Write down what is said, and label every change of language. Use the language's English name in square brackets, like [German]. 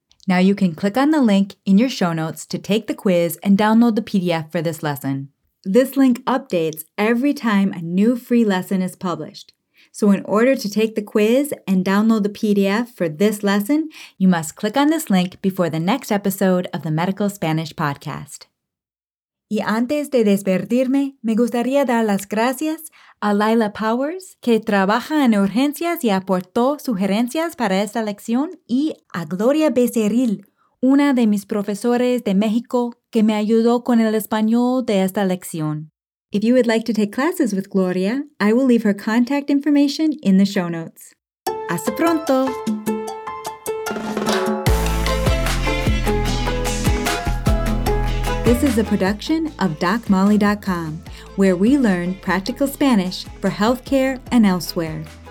[English] Now you can click on the link in your show notes to take the quiz and download the PDF for this lesson. This link updates every time a new free lesson is published. So in order to take the quiz and download the PDF for this lesson, you must click on this link before the next episode of the Medical Spanish Podcast. [Spanish] Y antes de despedirme, me gustaría dar las gracias a Lila Powers, que trabaja en urgencias y aportó sugerencias para esta lección, y a Gloria Becerril, una de mis profesores de México, que me ayudó con el español de esta lección. [English] If you would like to take classes with Gloria, I will leave her contact information in the show notes. [Spanish] ¡Hasta pronto! [English] This is a production of DocMolly.com, where we learn practical Spanish for healthcare and elsewhere.